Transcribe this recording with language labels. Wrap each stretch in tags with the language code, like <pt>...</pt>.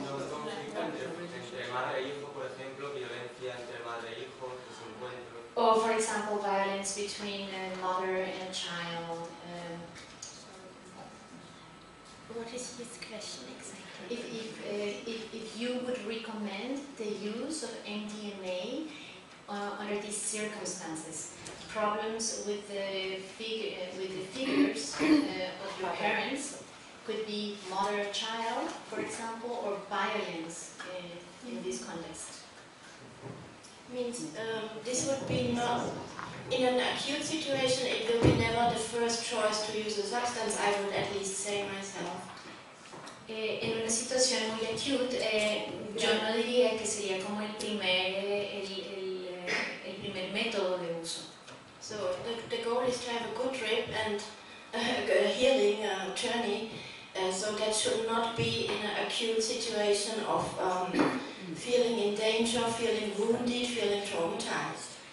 <es>No, no, no, entre madre e hijo, por ejemplo, violencia entre madre e hijo, desencuentro.</es> <en>Or, for example, violence between a mother and child. What is his question exactly? If you would recommend the use of MDMA under these circumstances, problems with the figures of your parents could be mother child, for example, or violence in this context. Means this would be not in an acute situation. It will be never the first choice to use a substance. I would at least say myself.</en> <es>En una situación muy acute, yo no diría que sería como el primer método de uso.</es> <en>So the goal is to have a good trip and a healing journey, so that should not be in an acute situation of feeling in danger, feeling wounded, feeling traumatized.</en>